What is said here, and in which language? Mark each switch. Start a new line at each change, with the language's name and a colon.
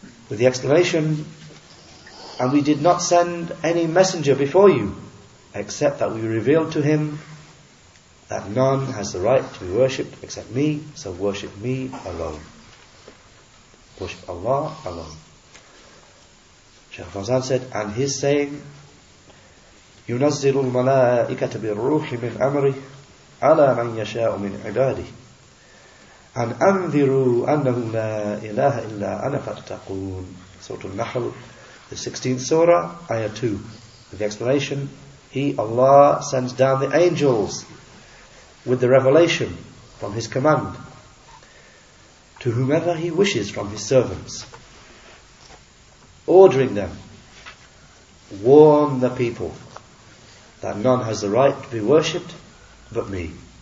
English: With the explanation, and we did not send any messenger before you, except that we revealed to him that none has the right to be worshipped except me, so worship me alone. Worship Allah alone. Shaykh Fawzan said, and his saying,
Arabic: يُنَزِّلُ الْمَلَائِكَةَ بِالْرُوحِ مِنْ أَمْرِهِ عَلَى مَنْ يَشَاءُ مِنْ عِبَادِهِ أَنْ أَنْذِرُوا أَنَّهُ لَا إِلَهَ إِلَّا أَنَا فَاتَّقُونَ,
English: Surah Al-Nahl, the 16th Surah, Ayah 2. With the explanation, He, Allah, sends down the angels with the revelation from His command to whomever He wishes from His servants, ordering them, warn the people that none has the right to be worshipped but me.